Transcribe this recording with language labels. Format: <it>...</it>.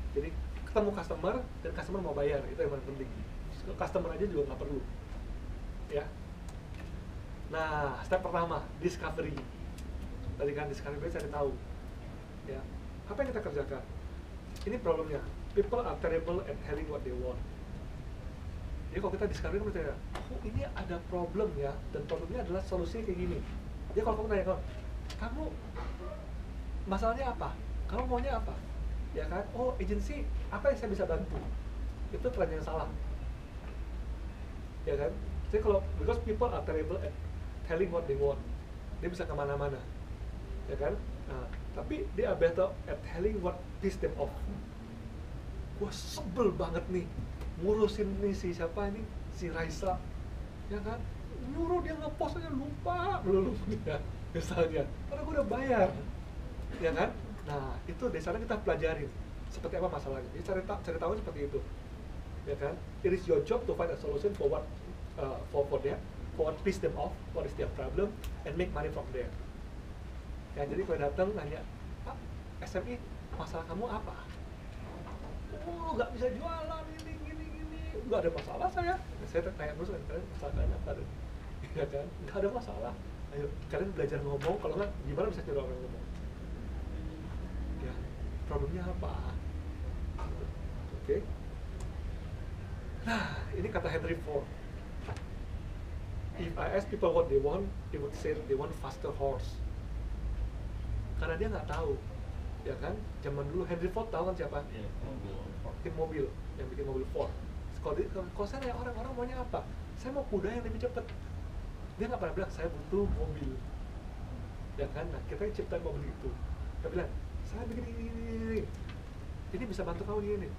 <id>Jadi, ketemu customer dan customer mau bayar, itu yang paling penting. Customer aja juga nggak perlu, ya. Nah, step pertama, discovery. Tadi kan discovery saya udah tahu, ya. Apa yang kita kerjakan? Ini problemnya.</id> <en>People are terrible at having what they want.</en> <id>Jadi kalau kita discovery, kita bertanya, oh ini ada problem ya, dan problemnya adalah solusinya kayak gini. Jadi kalau kamu tanya, kamu masalahnya apa? Kamu maunya apa? Ya kan? Oh, agency, apa yang saya bisa bantu? Itu pertanyaan yang salah. Ya kan? Jadi kalau,</id> <en>because people are terrible at telling what they want.</en> <id>Dia bisa kemana-mana. Ya kan? Nah, tapi</id> <en>they are better at telling what pissed them off.</en> <id>Gua sebel banget nih. Ngurusin nih si siapa ini? Si Raisa. Ya kan? Nyuruh dia ngepost aja lupa. Melulu. Ya, misalnya. Karena gua udah bayar. Ya kan? Nah, itu dari sana kita pelajarin. Seperti apa masalahnya. Jadi cari tahu seperti itu. Ya kan?</id> <en>It is your job to find a solution for what for them, for what piss them off, what is their problem, and make money from there.</en> <id>Ya, jadi kalau datang nanya, Pak, SME, masalah kamu apa? Oh, gak bisa jualan, ini. Gak ada masalah saya. Saya tanya terus, kalian masalah kalian apa? Ya kan? Gak ada masalah. Ayo, kalian belajar ngomong, kalau gak, gimana bisa jadi orang ngomong? Ya, problemnya apa? Oke. Nah, ini kata Henry Ford.</id> <en>If I ask people what they want, they would say they want faster horse.</en> <id>Karena dia nggak tahu, ya kan? Zaman dulu Henry Ford tahu kan siapa? Tim mobil yang bikin mobil Ford. Kalau saya nanya orang-orang maunya apa? Saya mau kuda yang lebih cepat. Dia nggak pernah bilang saya butuh mobil, ya kan? Nah, kita ciptain mobil itu. Dia bilang saya bikin ini bisa bantu kamu ini.</id>